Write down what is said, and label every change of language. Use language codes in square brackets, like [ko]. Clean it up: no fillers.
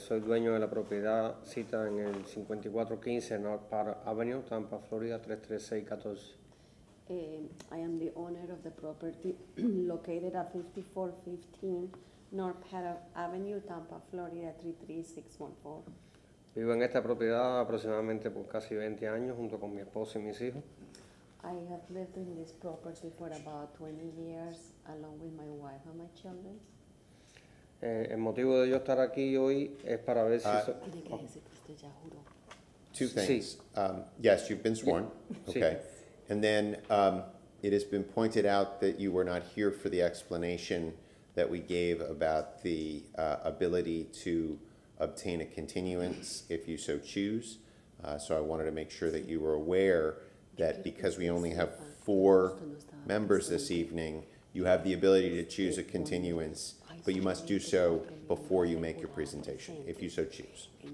[es] Soy dueño de la propiedad cita en el 5415 North Park Avenue, Tampa, Florida 33614. [en] I am the owner of the property located at 5415 North Paddock Avenue, Tampa, Florida 33614. [es] Vivo en esta propiedad aproximadamente por casi 20 años junto con mi esposo y mis hijos. [en] I have lived in this property for about 20 years along with my wife and my children. [es] El motivo de yo estar aquí hoy es para ver si [en] Two things. Sí. Yes, you've been sworn. Yeah. Okay. Sí. And then it has been pointed out that you were not here for the explanation that we gave about the ability to obtain a continuance if you so choose. So I wanted to make sure that you were aware that because we only have four members this evening, you have the ability to choose a continuance, but you must do so before you make your presentation, if you so choose.